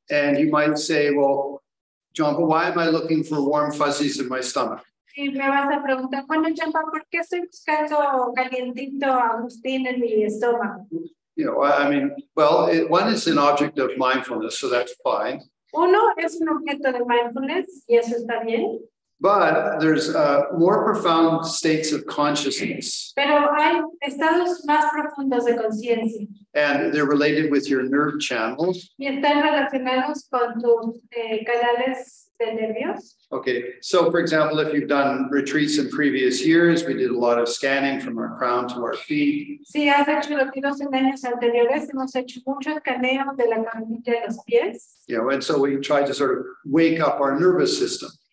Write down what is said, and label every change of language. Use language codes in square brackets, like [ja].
[en] And you might say, well, John, but why am I looking for warm fuzzies in my stomach? You know, I mean, well, one is an object of mindfulness, so that's fine. [es] Uno es un objeto de mindfulness, y eso está bien. [en] But there's more profound states of consciousness. [es] Pero hay estados más profundos de conciencia. [en] And they're related with your nerve channels. [es] Y están relacionados con tus canales. [en] Okay, so for example, if you've done retreats in previous years, we did a lot of scanning from our crown to our feet. [es] Si has hecho los 12 años anteriores, hemos hecho mucho escaneo de la cabeza a los pies. [en] Yeah, and so we try to sort of wake up our nervous system.